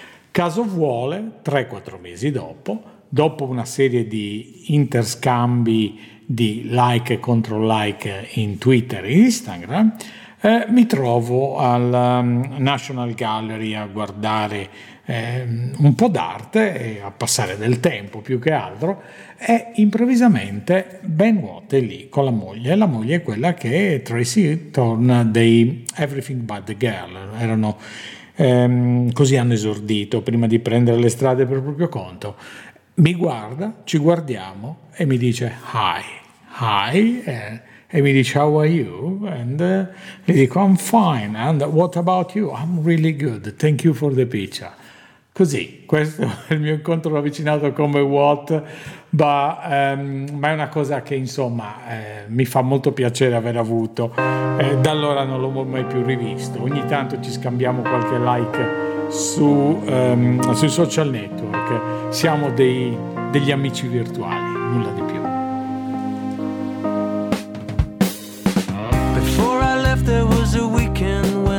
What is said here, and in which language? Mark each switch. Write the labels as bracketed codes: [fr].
[it] Caso vuole, 3-4 mesi dopo una serie di interscambi di like e contro like in Twitter e Instagram, mi trovo al National Gallery a guardare un po' d'arte e a passare del tempo più che altro, e improvvisamente Ben Watt è lì con la moglie. La moglie è quella che è Tracy Thorn dei Everything But The Girl. Erano così hanno esordito prima di prendere le strade per proprio conto. Mi guarda, ci guardiamo e mi dice [en] hi, [it] e mi dice [en] how are you, and [it] gli dico [en] I'm fine, and what about you, I'm really good, thank you for the pizza. [it] Così, questo è il mio incontro avvicinato come Walt, ma è una cosa che insomma mi fa molto piacere aver avuto. Da allora non l'ho mai più rivisto. Ogni tanto ci scambiamo qualche like sui social network. Siamo degli amici virtuali, nulla di più. [en] Before I left there was a weekend.